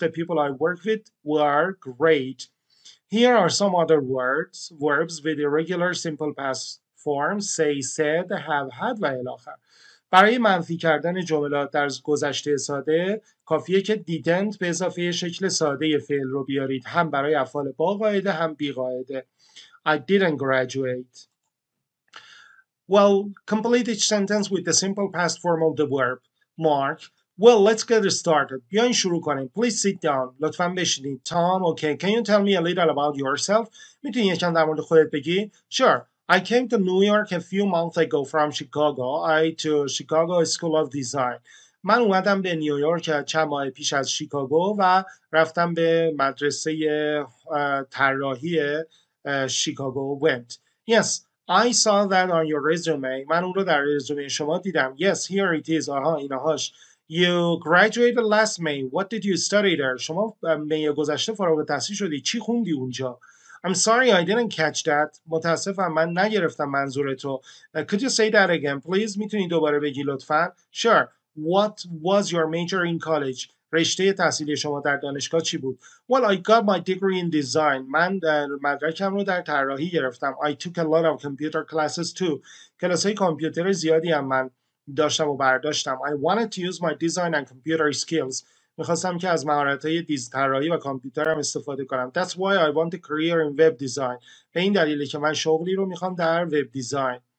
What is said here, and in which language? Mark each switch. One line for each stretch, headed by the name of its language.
English: The people I worked with were great. Here are some other words, verbs with irregular simple past form. Say, said, have had
Persian: و الاخر. برای منفی کردن جملات در گذشته ساده کافیه که didn't به اضافه شکل ساده فعل رو بیارید، هم برای افعال با قاعده هم بی قاعده.
English: I didn't graduate. Well, complete each sentence with the simple past form of the verb. Mark. Well, let's get started.
Persian: بیاین شروع کنیم.
English: Please sit down.
Persian: لطفا بشینید.
English: Tom, okay. Can you tell me a little about yourself?
Persian: میتونی یکم در مورد خودت بگی؟
English: Sure. I came to New York a few months ago from Chicago. I to Chicago School of Design.
Persian: من اومدم به نیویورک چند ماه پیش از شیکاگو و رفتم به مدرسه طراحی شیکاگو.
English: Went. Yes, I saw that on your resume.
Persian: من اون رو در رزومه شما دیدم.
English: Yes, here it is.
Persian: آها، اینهاش.
English: You graduated last May. What did you study there?
Persian: شما می گذشته فارغ التحصیل شدی. چی خوندی اونجا؟
English: I'm sorry, I didn't catch that.
Persian: متاسفم من نگرفتم منظورتو.
English: Could you say that again, please?
Persian: میتونی دوباره بگی لطفاً؟
English: Sure. What was your major in college?
Persian: رشته تحصیلی شما در دانشگاه چی بود؟
English: Well, I got my degree in design.
Persian: من مدرکم رو در طراحی گرفتم.
English: I took a lot of computer classes too.
Persian: کلاس‌های کامپیوتر زیادی هم من داشتم و برداشتم.
English: I wanted to use my design and computer skills.
Persian: میخواستم که از مهارت‌های دیزطراحی و کامپیوترم استفاده کنم.
English: That's why I want a career in web design.
Persian: به این دلیله که من شغلی رو میخوام در وب دیزاین.